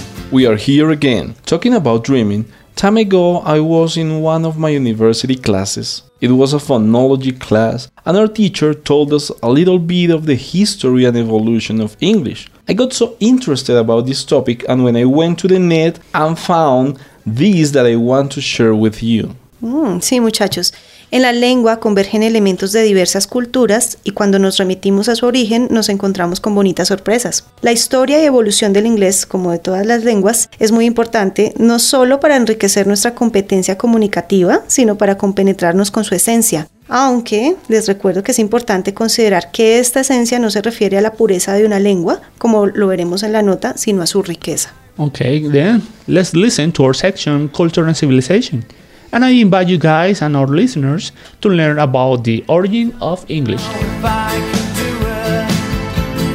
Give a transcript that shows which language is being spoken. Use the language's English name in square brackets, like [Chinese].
[English] We are here again, talking about dreaming. Time ago, I was in one of my university classes. It was a phonology class, and our teacher told us a little bit of the history and evolution of English. I got so interested about this topic, and when I went to the net, I found these that I want to share with you. [Spanish] Sí, muchachos. En la lengua convergen elementos de diversas culturas y cuando nos remitimos a su origen nos encontramos con bonitas sorpresas. La historia y evolución del inglés, como de todas las lenguas, es muy importante no solo para enriquecer nuestra competencia comunicativa, sino para compenetrarnos con su esencia. Aunque les recuerdo que es importante considerar que esta esencia no se refiere a la pureza de una lengua, como lo veremos en la nota, sino a su riqueza. [English] Okay, then, let's listen to our section Culture and Civilization. And I invite you guys and our listeners to learn about the origin of English. If I could do it,